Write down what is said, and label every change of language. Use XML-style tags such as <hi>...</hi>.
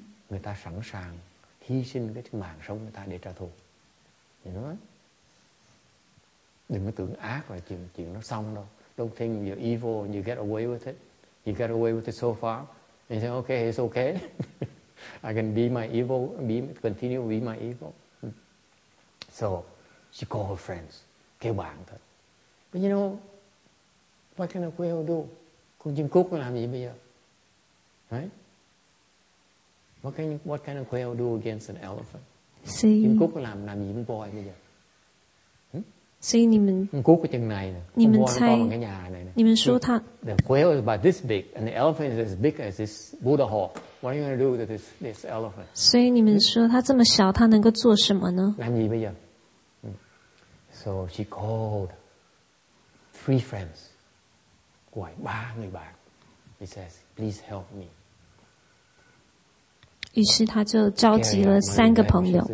<vi>Người ta sẵn sàng hy sinh cái mạng sống người ta để trả thù.</vi> <en>You know?</en> <vi>Đừng có tưởng ác là chuyện nó xong đâu.</vi> <en>Don't think you're evil and you get away with it. You get away with it so far. And you say, okay, it's okay. I can be my evil, continue to be my evil. So she called her friends.</en> <vi>Kêu bạn thôi.</vi> <en>But you know, what can a quail do?</en> <vi>Con chim cút làm gì bây giờ?</vi> <en>Right? What can a quail do against an elephant?</en> <vi>Chim cút làm gì con voi bây giờ?</vi> <zh>所以你们，你们猜，你们说他。</zh> <en>The quail is about this big, and the elephant is as big as this Buddha hall. What are you going to do with this elephant?</en> <zh>所以你们说他这么小，他能够做什么呢？</zh> <en>So she called three friends.</en> <zh>怪八个吧。</zh> <en>He says, "Please help me."</en> <zh>于是他就召集了三个朋友。</zh>